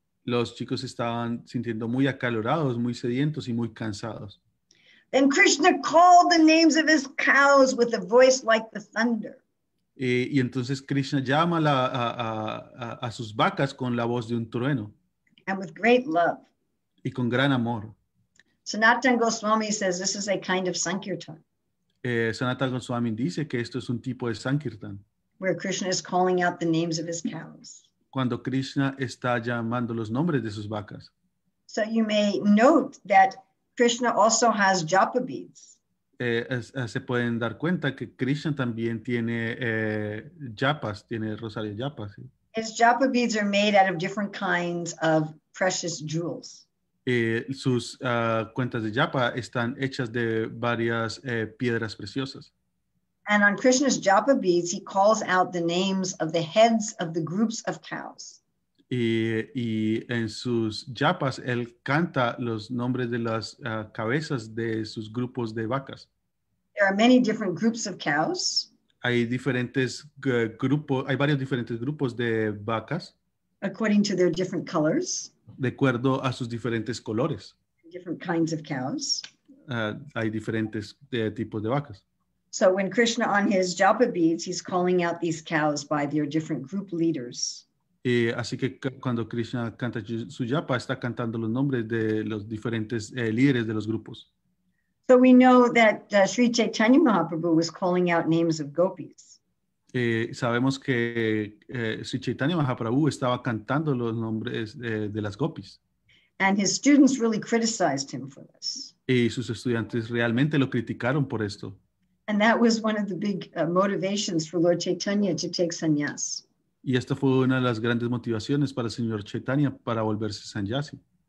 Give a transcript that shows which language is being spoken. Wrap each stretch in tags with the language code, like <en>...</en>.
<es>Los chicos estaban sintiendo muy acalorados, muy sedientos y muy cansados.</es> <en>Then Krishna called the names of his cows with a voice like the thunder.</en> <es>Y entonces Krishna llama a sus vacas con la voz de un trueno.</es> <en>And with great love.</en> <es>Y con gran amor.</es> <en>Sanatana Goswami says this is a kind of sankirtan.</en> <es>Sanatana Goswami dice que esto es un tipo de sankirtan.</es> <en>Where Krishna is calling out the names of his cows.</en> <es>Cuando Krishna está llamando los nombres de sus vacas.</es> <en>So you may note that Krishna also has japa beads.</en> <es>Se pueden dar cuenta que Krishna también tiene japas, tiene rosario japas. ¿Sí?</es> <en>His japa beads are made out of different kinds of precious jewels.</en> <es>Sus cuentas de japa están hechas de varias piedras preciosas.</es> <en>And on Krishna's japa beads, he calls out the names of the heads of the groups of cows.</en> <es>Y en sus japas, él canta los nombres de las cabezas de sus grupos de vacas.</es> <en>There are many different groups of cows.</en> <es>Hay diferentes hay varios diferentes grupos de vacas.</es> <en>According to their different colors.</en> <es>De acuerdo a sus diferentes colores.</es> <en>Different kinds of cows.</en> <es>Hay diferentes tipos de vacas.</es> <en>So when Krishna on his japa beads, he's calling out these cows by their different group leaders.</en> <es>Y así que cuando Krishna canta su japa, está cantando los nombres de los diferentes líderes de los grupos.</es> <en>So we know that Sri Chaitanya Mahaprabhu was calling out names of gopis.</en> <es>Sabemos que Sri Chaitanya Mahaprabhu estaba cantando los nombres de las gopis.</es> <en>And his students really criticized him for this.</en> <es>Y sus estudiantes realmente lo criticaron por esto.</es> <en>And that was one of the big motivations for Lord Chaitanya to take sannyas.</en> <es>Y esta fue una de las grandes motivaciones para el señor Chaitanya para volverse sannyasi.</es>